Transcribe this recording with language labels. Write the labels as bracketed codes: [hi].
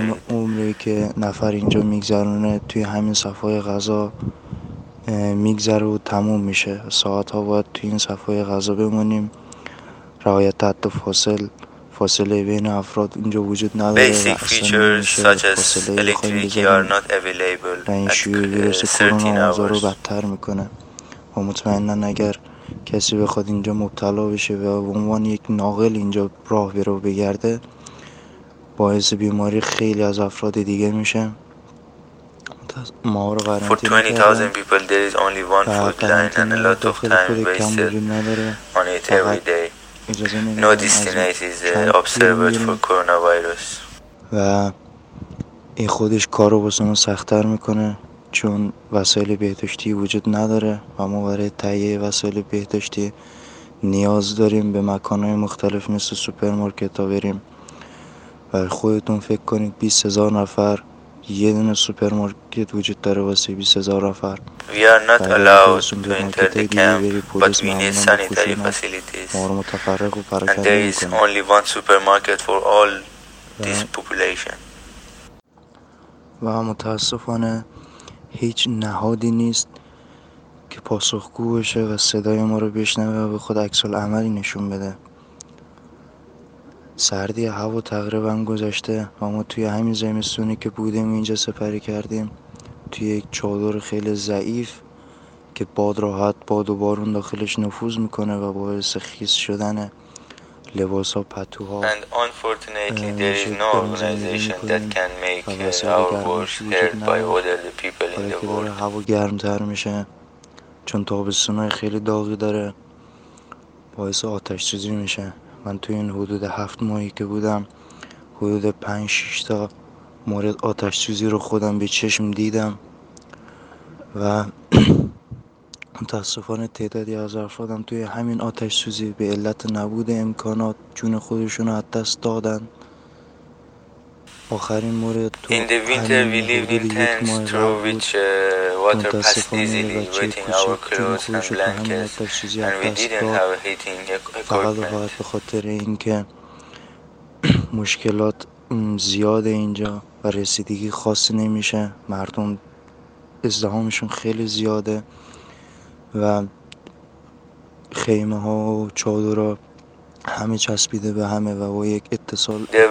[fa] عمری که نفر اینجا میگذرونه توی همین صفای غذا میگذره و تموم میشه. ساعت ها باید توی این صفای غذا بمونیم. رعایت حد و فاصله بین افراد اینجا وجود نداره. [en] Basic features such as electricity are not available. [fa] این شیوع ویروس کرونا اوضاع رو بدتر میکنه و مطمئنن اگر کسی بخواد اینجا مبتلا بشه و به عنوان یک ناقل اینجا راه برو بگرده، باعث بیماری خیلی از افراد دیگه میشه. ما رو قرنطینه کردن. [en] For 20,000 people there is only one food line and a lot of time wasted on it every day. No destination is observed for coronavirus. [fa] و این خودش کار رو واسه ما سخت‌تر میکنه، چون وسایل بهداشتی وجود نداره و ما برای تهیه وسایل بهداشتی نیاز داریم به مکانهای مختلف مثل سوپرمارکت ها بریم. و خودتون فکر کنید 20,000 نفر، یه دونه سوپرمارکت وجود داره واسه 20,000 نفر. [en] We are not allowed to enter the camp, but we need sanitary facilities. [fa] ما رو متفرق و پرکنه میکنیم. [en] And there is only one supermarket for all this population. [fa] و متاسفانه هیچ نهادی نیست که پاسخگو بشه و صدای ما رو بشنوه و به خود عکس العملی نشون بده. سردی هوا تقریبا گذشته و ما توی همین زمستونی که بودیم اینجا سپری کردیم، توی یک چادر خیلی ضعیف که باد راحت باد و بارون داخلش نفوذ میکنه و باعث خیس شدن لباس ها پتوها. [en] And unfortunately there is no organization that can make our voice heard by other people in the world. [fa] هوا گرمتر میشه چون تابستونای خیلی داغی داره، باعث آتش سوزی میشه. من توی این حدود 7 ماهی که بودم حدود 5-6 تا مورد آتش سوزی رو خودم به چشم دیدم و متاسفانه تعدادی از افرادم توی همین آتش سوزی به علت نبود امکانات جون خودشون رو از دست دادن. آخرین مورد تو [en] In the winter we lived in tents through which water passed easily, wetting our clothes and blankets, and we didn't have heating equipment. [fa] فقط به خاطر اینکه مشکلات زیاد اینجا و رسیدگی خاصی نمیشه، مردم ازدحامشون خیلی زیاده و خیمه ها و چادر ها همه چسبیده به همه و با یک اتصال